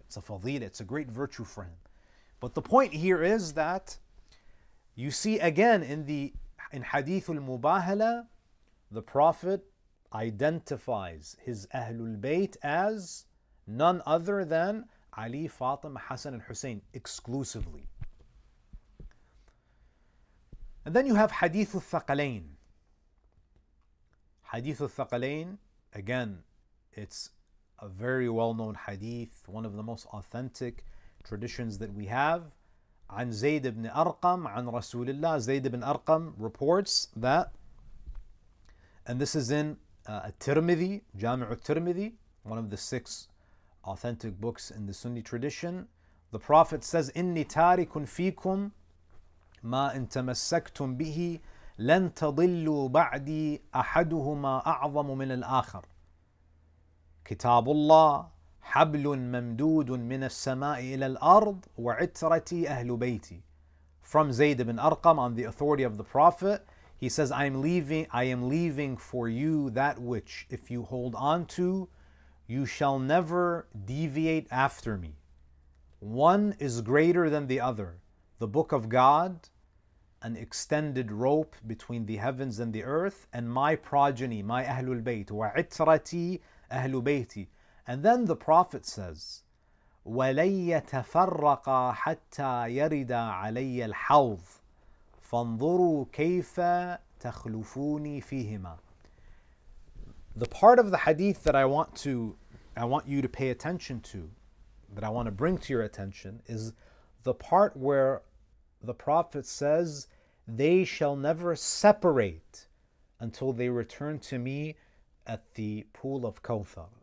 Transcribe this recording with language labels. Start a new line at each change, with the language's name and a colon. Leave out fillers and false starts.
English: It's a fadila, it's a great virtue for him. But the point here is that you see again in Hadith al-Mubahala, the Prophet identifies his Ahlul Bayt as none other than Ali, Fatima, Hassan and Hussein exclusively. And then you have Hadith al-Thaqalayn. Hadith al-Thaqalayn, again, it's a very well-known hadith, one of the most authentic traditions that we have.
Arabic: عن زيد بن أرقم عن رسول الله. Zayd ibn Arqam reports that, and this is in al-Tirmidhi, Jame-ut-Tirmidhi, one of the six authentic books in the Sunni tradition.
English: The Prophet says,
Arabic: إني تارك فيكم ما إن تمسكتم به لن تضلوا بعدي أحدهما أعظم من الآخر. كتاب الله حبل ممدود من السماء إلى الأرض وعترتي أهل بيتي.
English: From Zayd ibn Arqam, on the authority of the Prophet, he says, I am leaving for you that which, if you hold on to, you shall never deviate after me. One is greater than the other, the Book of God, an extended rope between the heavens and the earth, and my progeny, my Ahlul Bayt,
Arabic: وعترتي أهل بيتي.
English: And then the Prophet says,
Arabic: وَلَيَّتَفَرَّقَ حَتَّى يَرِدَ عَلَيَّ الْحَوْضِ فَانْظُرُوا كَيْفَ تَخْلُفُونِي فِيهِمَا.
English: The part of the hadith that I want you to pay attention to, that I want to bring to your attention, is the part where the Prophet says, they shall never separate until they return to me at the pool of Kawthar.